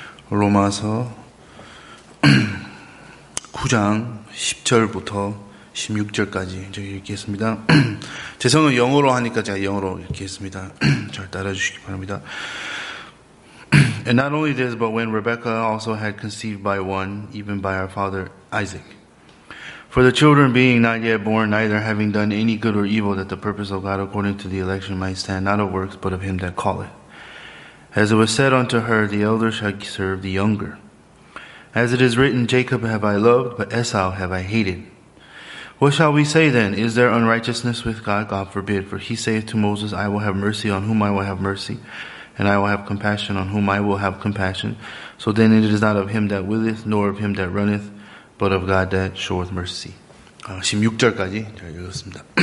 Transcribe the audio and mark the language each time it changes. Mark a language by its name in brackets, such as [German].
[Korean] 로마서 9장 10절부터 16절까지 제가 읽겠습니다. 제 성은 영어로 하니까 제가 영어로 읽겠습니다. 잘 따라주시기 바랍니다. [English] And not only this, but when Rebekah also had conceived by one, even by our father Isaac. For the children being not yet born, neither having done any good or evil, that the purpose of God according to the election might stand, not of works, but of him that calleth. As it was said unto her, the elder shall serve the younger. As it is written, Jacob have I loved, but Esau have I hated. What shall we say then? Is there unrighteousness with God? God forbid. For he saith to Moses, I will have mercy on whom I will have mercy, and I will have compassion on whom I will have compassion. So then it is not of him that willeth, nor of him that runneth, But of God that showeth mercy. [Korean] 16절까지 제가 읽었습니다.